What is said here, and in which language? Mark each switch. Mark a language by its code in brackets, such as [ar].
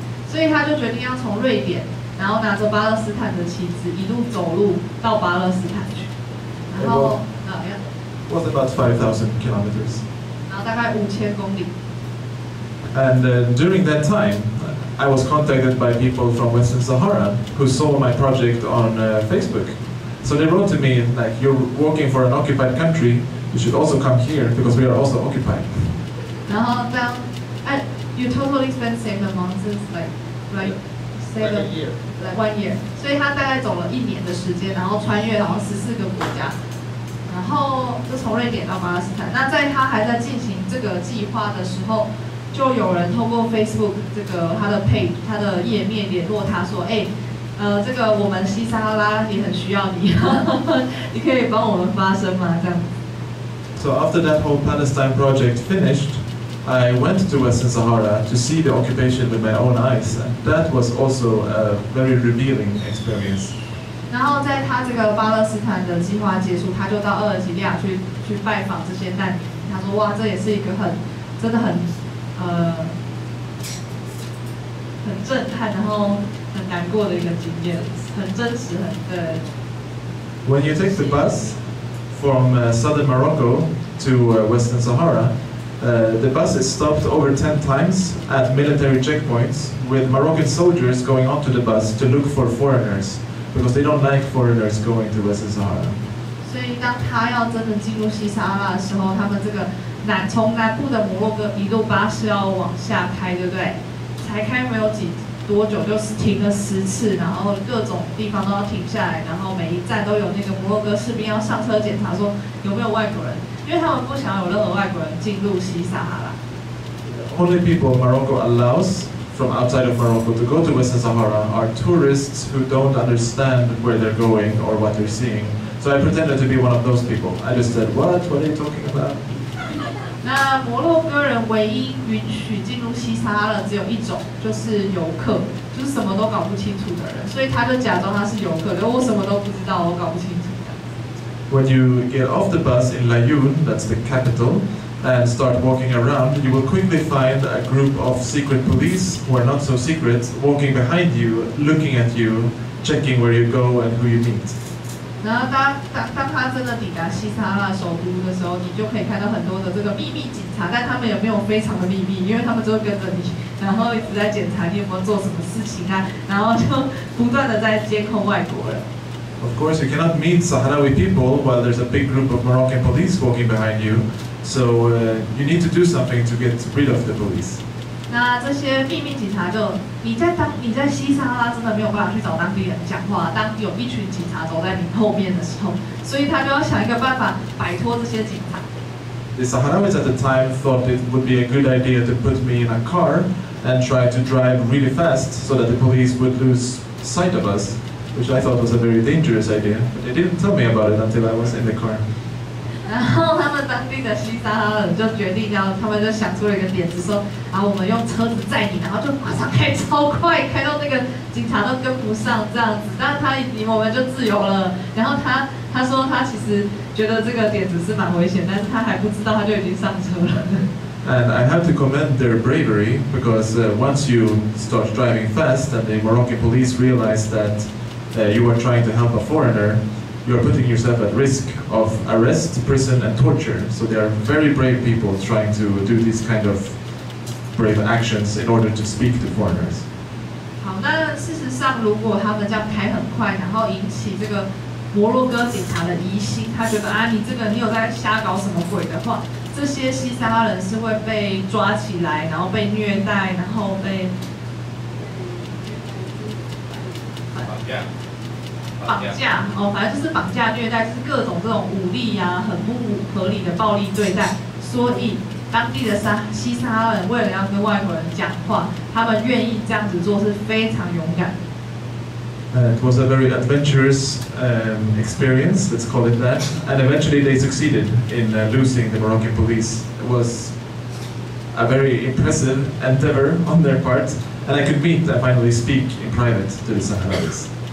[zh] 所以他就决定要从瑞典，然后拿着巴勒斯坦的旗帜，一路走路到巴勒斯坦去，然后怎么样？ [en] Was about 5,000 kilometers. [zh] 然后大概五千公里。 [en] And during that time, I was contacted by people from Western Sahara who saw my project on Facebook. So they wrote to me like, "You're working for an occupied country. You should also come here because we are also occupied." [zh] 然后这样，哎 [en] ，You totally spent 7 months, like one year. [zh] 所以他大概走了一年的时间，然后穿越好像14个国家。然后就从瑞典到巴勒斯坦。那在他还在进行这个计划的时候，就有人透过 Facebook 这个他的 page 他的页面联络他说：“哎，这个我们西撒哈拉也很需要你，你可以帮我们发声吗？” 这样。 [en] So after that whole Palestine project finished, I went to Western Sahara to see the occupation with my own eyes, and that was also a very revealing experience. [zh] 然后在他这个巴勒斯坦的计划结束，他就到厄尔及利亚去拜访这些难民。他说：“哇，这也是一个很震撼，然后很难过的一个经验，很真实，很对。” [en] When you take the bus from southern Morocco to western Sahara, the bus is stopped over 10 times at military checkpoints with Moroccan soldiers going onto the bus to look for foreigners. Because they don't like foreigners going to Western Sahara. [zh] 所以当他要真的进入西撒哈拉的时候，他们这个从南部的摩洛哥一路巴士要往下开，对不对？才开没有几多久，就是停了十次，然后各种地方都要停下来，然后每一站都有那个摩洛哥士兵要上车检查，说有没有外国人，因为他们不想有任何外国人进入西撒哈拉。 [en] Only people Morocco allows. From outside of Morocco to go to Western Sahara are tourists who don't understand where they're going or what they're seeing. So I pretended to be one of those people. I just said, "What? What are you talking about?" [zh] 那摩洛哥人唯一允许进入西撒哈拉只有一种，就是游客，就是什么都搞不清楚的人。所以他就假装他是游客，我什么都不知道，我搞不清楚的。 [en] When you get off the bus in Laayoune, that's the capital. And start walking around, you will quickly find a group of secret police who are not so secret walking behind you, looking at you, checking where you go and who you meet. [zh] 然后当他真的抵达西撒哈拉首都的时候，你就可以看到很多的这个秘密警察，但他们也没有非常的秘密，因为他们就跟着你，然后一直在检查你有没有做什么事情啊，然后就不断的在监控外国人。 [en] Of course, you cannot meet Sahrawi people while there's a big group of Moroccan police walking behind you. So you need to do something to get rid of the police. [zh] 那这些秘密警察就你在西撒哈拉真的没有办法去找当地人讲话。当有一群警察走在你后面的时候，所以他就要想一个办法摆脱这些警察。 [en] The Sahrawis at the time thought it would be a good idea to put me in a car and try to drive really fast so that the police would lose sight of us, which I thought was a very dangerous idea. But they didn't tell me about it until I was in the car. [zh] 然后他们当地的西撒哈拉人就决定，然后他们就想出了一个点子，说：“啊，我们用车子载你，然后就马上开超快，开到那个警察都跟不上这样子。” 那他我们就自由了。然后他说他其实觉得这个点子是蛮危险，但是他还不知道他就已经上车了。 [en] And I have to commend their bravery because once you start driving fast, and the Moroccan police realize that you are trying to help a foreigner. You are putting yourself at risk of arrest, prison, and torture. So they are very brave people trying to do these kind of brave actions in order to speak to foreigners. [zh] 好，那事实上，如果他们这样开很快，然后引起这个摩洛哥警察的疑心，他觉得啊，你有在瞎搞什么鬼的话，这些西撒哈人是会被抓起来，然后被虐待，然后被。 [en] Yeah. [zh] 绑架哦，反正就是绑架虐待，就是各种这种武力啊，很不合理的暴力对待。所以当地的西撒哈拉人为了要跟外国人讲话，他们愿意这样子做是非常勇敢。 [en] It was a very adventurous experience, let's call it that. And eventually they succeeded in losing the Moroccan police. It was a very impressive endeavor on their part. And I could meet and finally speak in private to the Sahrawis.